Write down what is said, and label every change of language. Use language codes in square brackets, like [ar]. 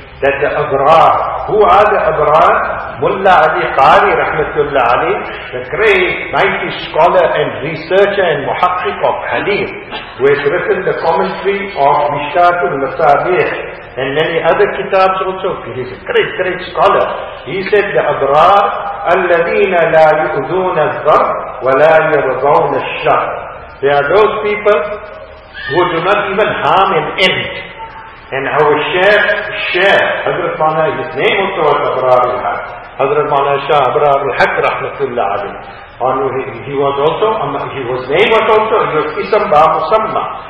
[en] That the Abrar, who are the Abrar? Mulla Ali Qari Rahmatullah Ali, the great mighty scholar and researcher and muhakkik of Hadith, who has written the commentary of Mishkatul Masabih, and many other kitabs also. He's a great, great scholar. He said, the abrar, [ar] الَّذِينَ لَا يُؤْذُونَ الظَّرْ وَلَا يَرْضَوْنَ الشَّرْ. [en] They are those people who do not even harm an end. And our Shaykh, Hazrat Maulana, his name also was Abrar al-Haq. Hazrat Maulana Shah Abrar al-Haq, rahmatullah alayhi. His name was also Isam Ba Musamma.